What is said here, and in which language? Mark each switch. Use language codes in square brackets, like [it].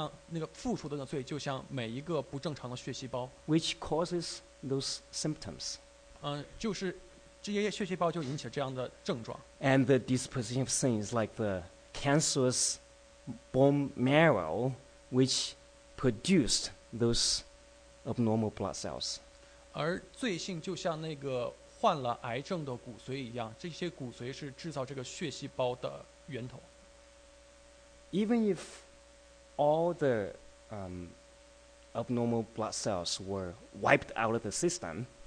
[zh] 罪就像那个附属的罪，就像每一个不正常的血细胞。 [en] Which causes those symptoms. [zh] 就是。这些血细胞就引起了这样的症状。 [en] And the disposition of sin is like the cancerous bone marrow which produced those abnormal blood cells. [zh] 而罪性就像那个患了癌症的骨髓一样，这些骨髓是制造这个血细胞的源头。 [en] Even if all the abnormal blood cells were wiped out of the system,